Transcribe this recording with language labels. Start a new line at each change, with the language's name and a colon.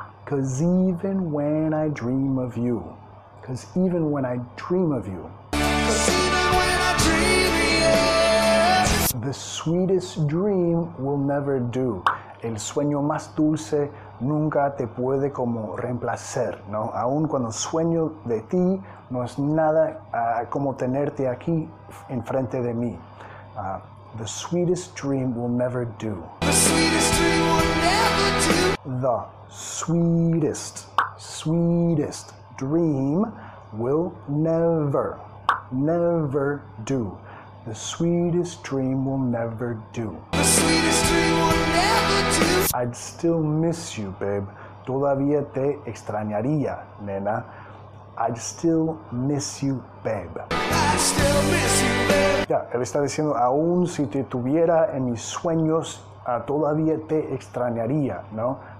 English: Because even when I dream of you. Because even when I dream of you. Because even when I dream of you. The sweetest dream will never do.
Spanish: El sueño más dulce nunca te puede como reemplazar, ¿no? Aún cuando sueño de ti, no es nada como tenerte aquí enfrente de mí.
English: The sweetest dream will never do. The sweetest dream will never do. The sweetest, sweetest dream will never, never do. The sweetest dream will never do. The sweetest dream will never do. I'd still miss you, babe.
Spanish: Todavía te extrañaría, nena.
English: I'd still miss you, babe. I'd still miss you, babe.
Spanish: Yeah, él está diciendo, aún si te tuviera en mis sueños, todavía te extrañaría, ¿no?